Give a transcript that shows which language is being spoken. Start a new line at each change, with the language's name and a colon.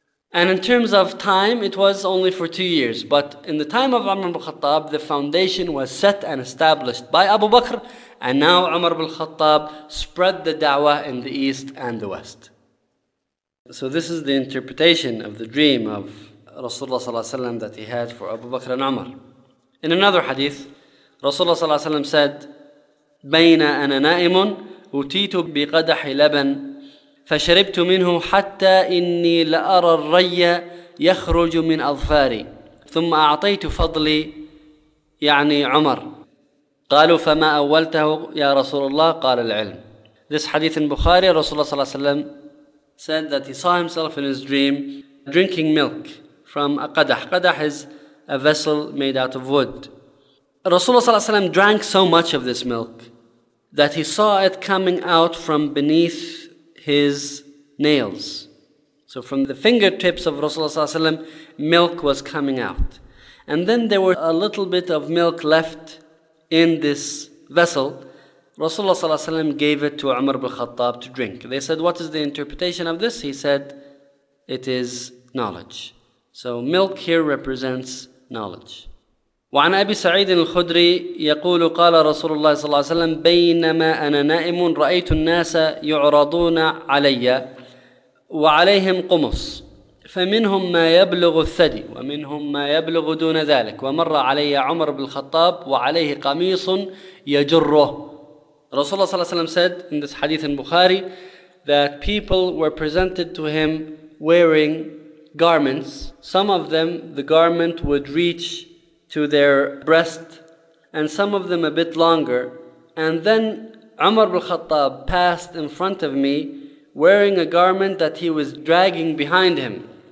English: And in terms of time, it was only for 2 years. But in the time of Umar bin Khattab, the foundation was set and established by Abu Bakr. And now Umar bin Khattab spread the da'wah in the East and the West. So this is the interpretation of the dream of Rasulullah صلى الله عليه وسلم that he had for Abu Bakr and Umar. In another hadith,
Arabic: Rasulullah صلى الله عليه وسلم
English: said,
Arabic: بين أنا نائم أتيت بقدح لبن فشربت منه حتى إني لأرى الري يخرج من أظفاري، ثم أعطيت فضلي يعني عمر. قالوا: فما أولته يا رسول الله؟ قال: العلم.
English: This hadith in Bukhari, Rasulullah صلى الله عليه وسلم said that he saw himself in his dream drinking milk from a qadah. Qadah is a vessel made out of wood. Rasulullah صلى الله عليه وسلم drank so much of this milk that he saw it coming out from beneath his nails. So from the fingertips of Rasulullah صلى الله عليه وسلم, milk was coming out. And then there was a little bit of milk left in this vessel. Rasulullah صلى الله عليه وسلم gave it to Umar ibn al-Khattab to drink. They said, what is the interpretation of this? He said, it is knowledge. So milk here represents knowledge.
Arabic: وعن أبي سعيد الخدري يقول: قال رسول الله صلى الله عليه وسلم: بينما أنا نائم رأيت الناس يعرضون علي وعليهم قمص، فمنهم ما يبلغ الثدي ومنهم ما يبلغ دون ذلك، ومر علي عمر بن الخطاب وعليه قميص يجره.
English: رسول الله صلى الله عليه وسلم said in this hadith in Bukhari that people were presented to him wearing garments. Some of them the garment would reach to their breast, and some of them a bit longer. And then Umar ibn al-Khattab passed in front of me wearing a garment that he was dragging behind him.